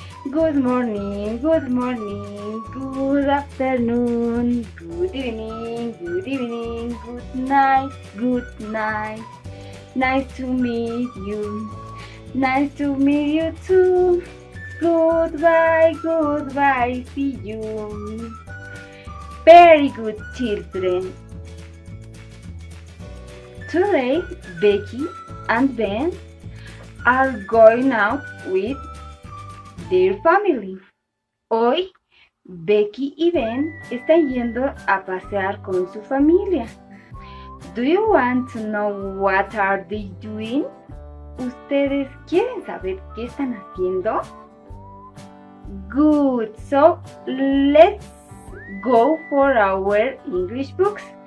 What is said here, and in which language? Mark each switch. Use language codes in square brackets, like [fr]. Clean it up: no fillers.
[en] Good morning, good afternoon, good evening, good night, nice to meet you, nice to meet you too, goodbye, goodbye, see you. Very good, children. Today, Becky and Ben are going out with their family. [es] Hoy, Becky y Ben están yendo a pasear con su familia. [en] Do you want to know what are they doing? [es] ¿Ustedes quieren saber qué están haciendo? [en] Good, so let's go for our English books.